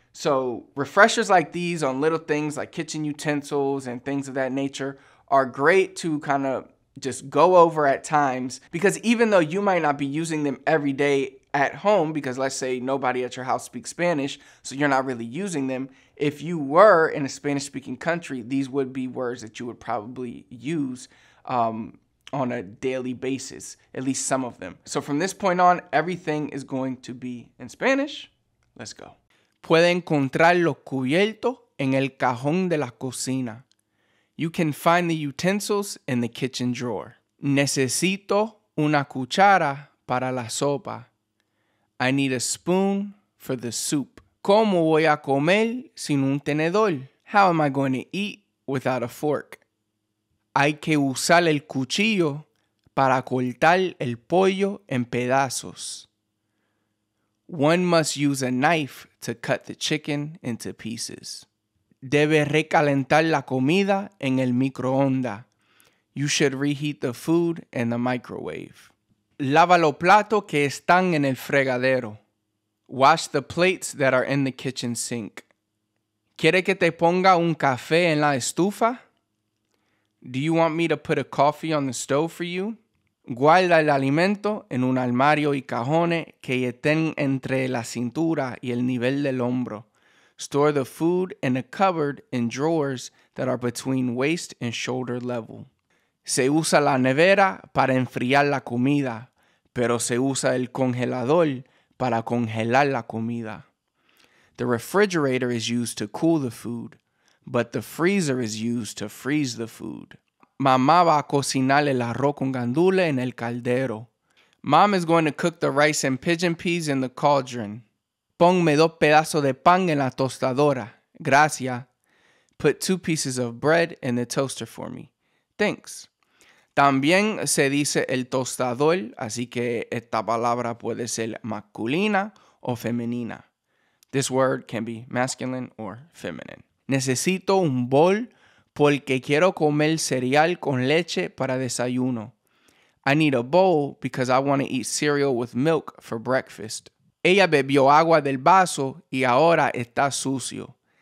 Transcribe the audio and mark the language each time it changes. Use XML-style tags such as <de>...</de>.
<en>So refreshers like these on little things like kitchen utensils and things of that nature are great to kind of just go over at times, because even though you might not be using them every day at home, because let's say nobody at your house speaks Spanish, so you're not really using them, if you were in a Spanish-speaking country, these would be words that you would probably use on a daily basis, at least some of them. So from this point on, everything is going to be in Spanish. Let's go.</en> <es>Puede encontrarlo cubierto en el cajón de la cocina.</es> <en>You can find the utensils in the kitchen drawer.</en> <es>Necesito una cuchara para la sopa.</es> <en>I need a spoon for the soup.</en> <es>¿Cómo voy a comer sin un tenedor?</es> <en>How am I going to eat without a fork?</en> <es>Hay que usar el cuchillo para cortar el pollo en pedazos.</es> <en>One must use a knife to cut the chicken into pieces.</en> <es>Debe recalentar la comida en el microondas.</es> <en>You should reheat the food in the microwave.</en> <es>Lava los platos que están en el fregadero.</es> <en>Wash the plates that are in the kitchen sink.</en> <es>¿Quiere que te ponga un café en la estufa?</es> <en>Do you want me to put a coffee on the stove for you?</en> <es>Guarda el alimento en un armario y cajones que estén entre la cintura y el nivel del hombro.</es> <en>Store the food in a cupboard and drawers that are between waist and shoulder level.</en> <es>Se usa la nevera para enfriar la comida, pero se usa el congelador para congelar la comida.</es> <en>The refrigerator is used to cool the food, but the freezer is used to freeze the food.</en> <es>Mamá va a cocinar el arroz con gandules en el caldero.</es> <en>Mom is going to cook the rice and pigeon peas in the cauldron.</en> <es>Ponme dos pedazos de pan en la tostadora. Gracias.</es> <en>Put two pieces of bread in the toaster for me. Thanks.</en> <es>También se dice el tostador, así que esta palabra puede ser masculina o femenina.</es> <en>This word can be masculine or feminine.</en> <es>Necesito un bol porque quiero comer cereal con leche para desayuno.</es> <en>I need a bowl because I want to eat cereal with milk for breakfast.</en> <es>Ella bebió agua del vaso y ahora está sucio.</es>